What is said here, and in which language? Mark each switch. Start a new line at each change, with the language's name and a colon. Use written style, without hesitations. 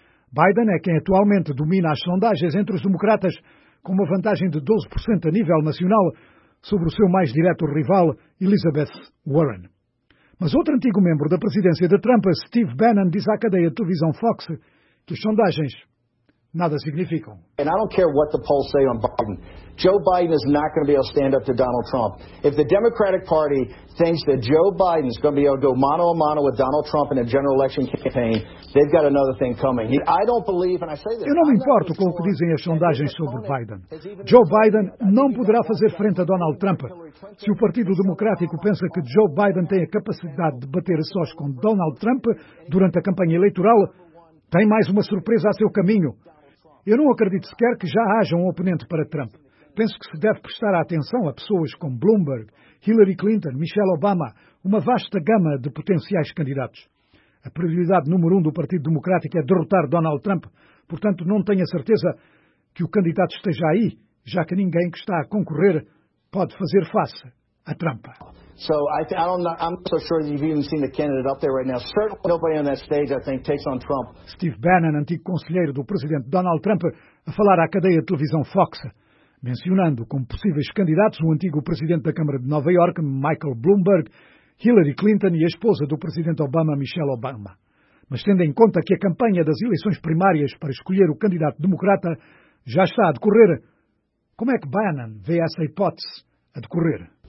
Portuguese: Biden é quem atualmente domina as sondagens entre os democratas, com uma vantagem de 12% a nível nacional sobre o seu mais direto rival, Elizabeth Warren. Mas outro antigo membro da presidência de Trump, Steve Bannon, diz à cadeia de televisão Fox que as sondagens nada significam.
English: And I don't care what the polls say on Biden. Joe Biden is not going to be able to stand up to Donald Trump. If the Democratic Party thinks that Joe Biden is going to be able to go mano a mano with Donald Trump in a general election campaign, they've got another thing coming. I don't believe, and I say this.
Portuguese: Eu não me importo com o que dizem as sondagens sobre Biden. Joe Biden não poderá fazer frente a Donald Trump. Se o Partido Democrático pensa que Joe Biden tem a capacidade de bater a sós com Donald Trump durante a campanha eleitoral, tem mais uma surpresa a seu caminho. Eu não acredito sequer que já haja um oponente para Trump. Penso que se deve prestar atenção a pessoas como Bloomberg, Hillary Clinton, Michelle Obama, uma vasta gama de potenciais candidatos. A prioridade número um do Partido Democrático é derrotar Donald Trump, portanto não tenho a certeza que o candidato esteja aí, já que ninguém que está a concorrer pode fazer face a Trump.
English: So I'm not so sure that you've even seen the candidate up there right now. Certainly nobody on that stage, I think, takes on Trump.
Portuguese: Steve Bannon, antigo conselheiro do presidente Donald Trump, a falar à cadeia de televisão Fox, mencionando como possíveis candidatos o antigo presidente da Câmara de Nova York, Michael Bloomberg, Hillary Clinton e a esposa do presidente Obama, Michelle Obama. Mas tendo em conta que a campanha das eleições primárias para escolher o candidato democrata já está a decorrer, como é que Bannon vê essa hipótese a decorrer?